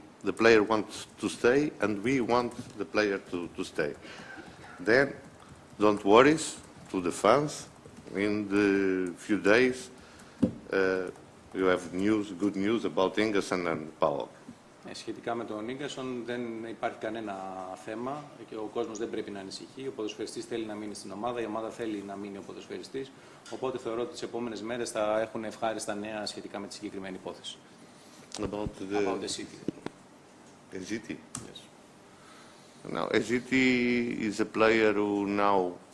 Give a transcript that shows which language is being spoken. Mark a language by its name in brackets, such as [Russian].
[English] The player wants to stay, and we want the player to stay. Then, don't worry to the fans. In the few days, you have news, good news about Ingerson and Paul. [Greek] Σχετικά με τον Ingerson, δεν υπάρχει κανένα θέμα και ο κόσμος δεν πρέπει να ανησυχεί. Ο ποδοσφαιριστής θέλει να μείνει στην ομάδα, η ομάδα θέλει να μείνει ο ποδοσφαιριστής. Οπότε θεωρώ ότι τις επόμενες μέρες θα έχουν ευχάριστα νέα σχετικά με τη συγκεκριμένη υπόθεση. [English] About the city. The city? Yes. Now, the city is a player who now